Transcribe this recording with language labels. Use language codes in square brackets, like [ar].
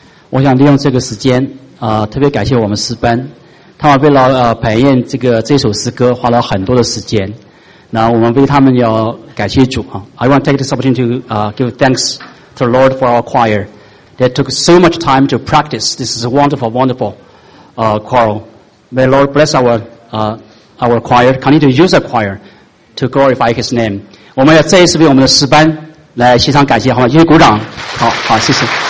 [zh] 我想利用这个时间特别感谢我们诗班，他们为了排练这首诗歌花了很多的时间，那我们为他们要感谢主啊。 [en] I want to take this opportunity to give thanks to the Lord for our choir. They took so much time to practice. This is a wonderful choral. May the Lord bless our choir. Continue to use our choir to glorify His name. [zh] 我们要再一次为我们的诗班来献上感谢，好吗？一起鼓掌。好，谢谢。